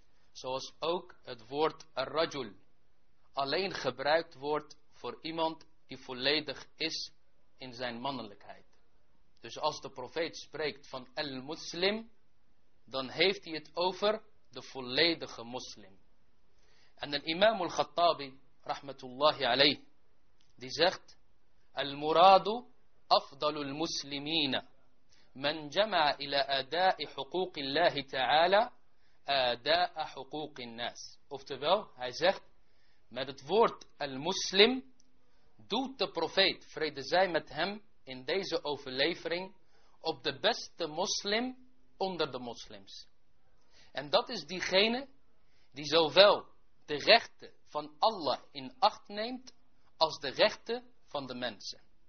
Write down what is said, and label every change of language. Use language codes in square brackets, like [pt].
[nl] Zoals ook het woord ar-rajul alleen gebruikt wordt voor iemand die volledig is in zijn mannelijkheid. Dus als de profeet spreekt van al-muslim, dan heeft hij het over de volledige moslim. En de imam al-Khattabi, rahmatullahi alayh, die zegt: [ar] al-muradu أفضل المسلمين من جمع إلى أداء حقوق الله تعالى أداء حقوق الناس. [nl] Oftewel, hij zegt: met het woord al-muslim doet de profeet, vrede zij met hem, in deze overlevering op de beste moslim onder de moslims. En dat is diegene die zowel de rechten van Allah in acht neemt als de rechten van de mensen.